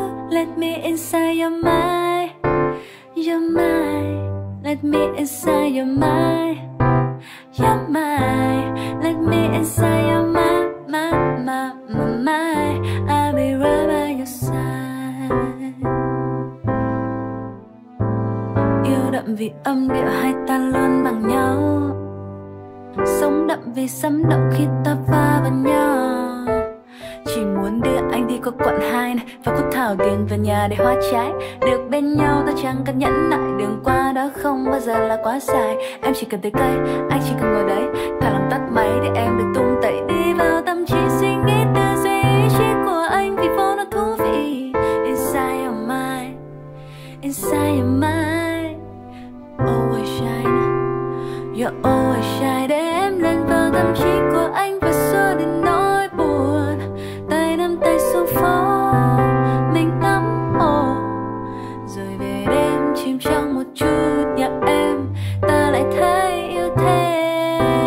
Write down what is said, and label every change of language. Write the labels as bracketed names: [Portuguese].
[English] Let me inside your mind, your mind. Let me inside your mind, your mind. Let me inside your mind, my, my, my, my. I'll be right by your side. [Vietnamese] Yêu đậm vì âm điệu hai ta luôn bằng nhau, sống đậm vì sấm động khi ta va vào nhau. Chỉ muốn đưa anh đi qua quận hai này, và khúc thảo điền vào nhà để hoa trái. Được bên nhau ta chẳng cần nhẫn nại, đường qua đó không bao giờ là quá dài. Em chỉ cần tới cây, anh chỉ cần ngồi đấy, thả lòng tắt máy để em được tung tẩy. Đi vào tâm trí suy nghĩ tư duy ý chí của anh vì phố nó thú vị. [English] Inside your mind, inside your mind. Always shine, you're always shy. [Vietnamese] Đem lên vào tâm trí của anh và xua đi nỗi buồn, tay nắm tay xuống phố mình ngắm hồ. Rồi về đêm chìm trong một chút nhạc êm, ta lại thấy yêu thêm.